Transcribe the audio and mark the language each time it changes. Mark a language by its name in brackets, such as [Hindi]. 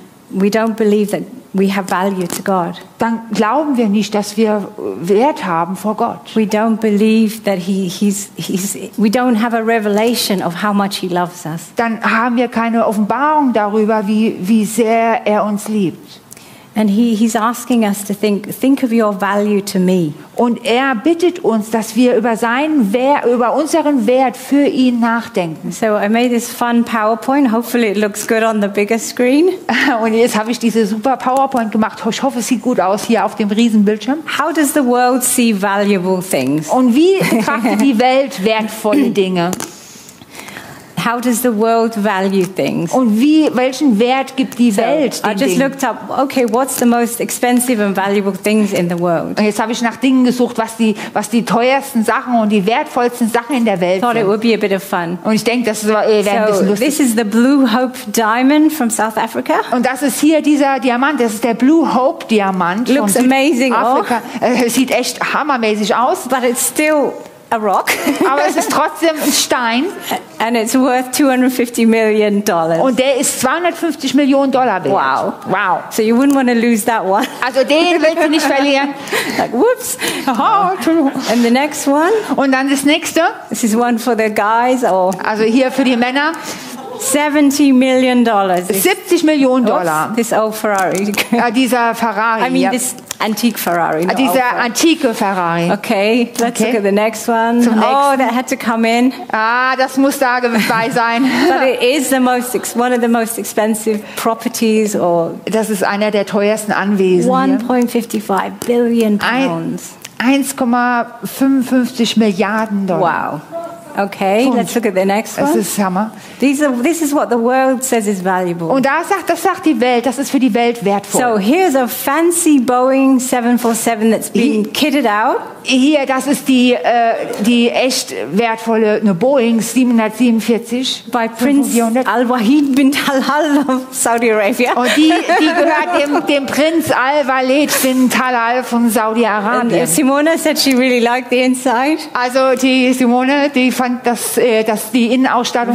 [English] we don't believe that we have value to God. [German] Dann glauben wir nicht, dass wir Wert haben vor Gott. [English] We don't believe that he's we don't have a revelation of how much he loves us. [German] Dann haben wir keine Offenbarung darüber, wie sehr er uns liebt. [English] And he's asking us to think of your value to me. [German] Und er bittet uns, dass wir über unseren Wert für ihn nachdenken. [English] So I made this fun PowerPoint. Hopefully it looks good on the bigger screen. [German] Und jetzt habe ich diese super PowerPoint gemacht. Ich hoffe, es sieht gut aus hier auf dem riesen Bildschirm. [English] How does the world see valuable things? [German] Und wie betrachtet die Welt wertvolle Dinge? [English] How does the world value things? [German] Und wie, welchen Wert gibt die Welt den [English] Dingen? I just looked up, okay, what's the most expensive and valuable things in the world? [German] Und jetzt habe ich nach Dingen gesucht, was die teuersten Sachen und die wertvollsten Sachen in der Welt sind. [English] Thought it would be a bit of fun. [German] Und ich denke, das wäre ein bisschen lustig. [English] So, this is the Blue Hope Diamond from South Africa. [German] Und das ist hier dieser Diamant, das ist der Blue Hope Diamant. [English] Looks amazing, oh. [German] Sieht echt hammermäßig aus. [English] But it's still a rock. [German] Aber es ist trotzdem ein Stein. [English] And it's worth $250 million. [German] Und der ist 250 Millionen Dollar wert. [English] Wow. [German] Wow. [English] So you wouldn't want to lose that one. [German] Also den willst du nicht verlieren. [English] Like, whoops. Oh. And the next one. [German] Und dann das nächste. [English] This is one for the guys. Oh. [German] Also hier für die Männer. [English] $70 million. [German] 70 Millionen Dollar. [English] Oops, this old Ferrari. [German] Dieser Ferrari. [English] I mean this antique Ferrari. [German] Dieser antike Ferrari. [English] Okay, let's look at the next one. Oh, that had to come in. [German] Ah, das muss da dabei sein. [English] But it is the most, one of the most expensive properties. Or [German] das ist einer der teuersten Anwesen. [English] 1.55 billion pounds. [German] 1,55 Milliarden Dollar. [English] Wow. Okay, und let's look at the next one. [German] Es ist Hammer. [English] This is what the world says is valuable. [German] Und das sagt die Welt, das ist für die Welt wertvoll. [English] So here's a fancy Boeing 747 that's been kitted out. [German] Hier, das ist die echt wertvolle Boeing 747 [English] by Prince Al-Wahid bin Talal of Saudi Arabia. [German] Und die gehört dem Prinz Al-Walid bin Talal von Saudi Arabien. [English] Simone said she really liked the inside. [German] Also die Simone, die fand dass die Innenausstattung